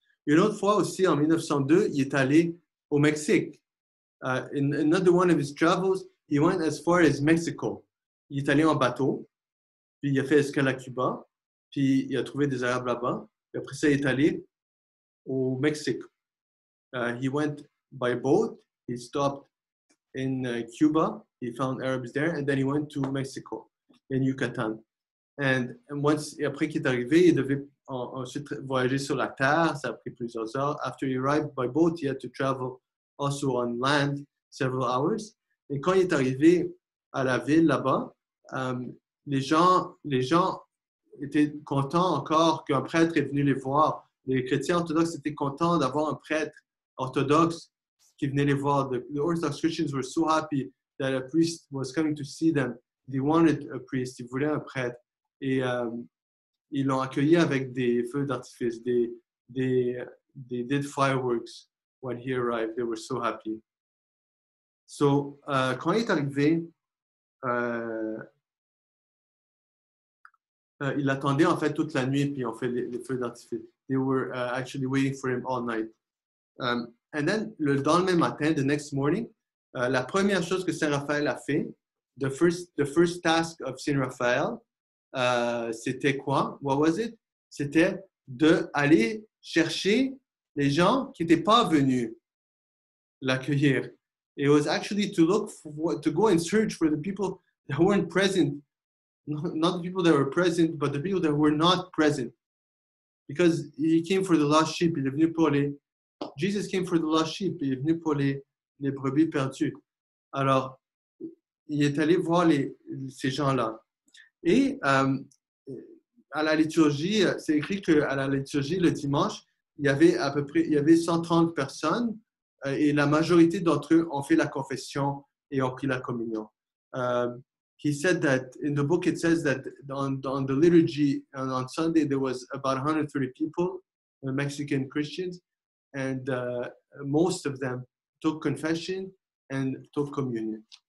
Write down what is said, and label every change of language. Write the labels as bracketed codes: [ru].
[fr] Une autre fois aussi, en 1902, il est allé au Mexique. [en] In another one of his travels, he went as far as Mexico. [fr] Il est allé en bateau, puis il a fait escale à Cuba, puis il a trouvé des Arabes là-bas, et après ça, il est allé au Mexique. [en] He went by boat, he stopped in Cuba, he found Arabs there, and then he went to Mexico, in Yucatan. And once, [fr] et après qu'il est arrivé, il devait ensuite voyager sur la terre, ça a pris plusieurs heures. [en] After he arrived by boat, he had to travel also on land several hours. [fr] Et quand il est arrivé à la ville là-bas, les gens étaient contents encore qu'un prêtre est venu les voir. Les chrétiens orthodoxes étaient contents d'avoir un prêtre orthodoxe qui venait les voir. [en] The Orthodox Christians were so happy that a priest was coming to see them. They wanted a priest. [fr] Ils voulaient un prêtre. Et ils l'ont accueilli avec des feux d'artifice. [en] They did fireworks when he arrived. They were so happy. [fr] So, quand il est arrivé, il attendait en fait toute la nuit, puis on fait les feux d'artifice. [en] They were actually waiting for him all night. And then, [fr] le lendemain matin, [en] the next morning, [fr] la première chose que Saint Raphaël a fait, [en] the first task of Saint Raphaël, [fr] c'était quoi? [en] What was it? [fr] C'était d'aller chercher les gens qui n'étaient pas venus l'accueillir. [en] It was actually to look for, to go and search for the people that weren't present. Not the people that were present, but the people that were not present. Because he came for the lost sheep, [fr] il est venu pour les... [en] Jesus came for the lost sheep. [fr] Il est venu pour les brebis perdues. Alors, il est allé voir ces gens-là. Et à la liturgie, c'est écrit qu'à la liturgie, le dimanche, il y avait 130 personnes et la majorité d'entre eux ont fait la confession et ont pris la communion. [en] He said that, in the book it says that on the liturgy, on Sunday, there was about 130 people, Mexican Christians, and most of them took confession and took communion.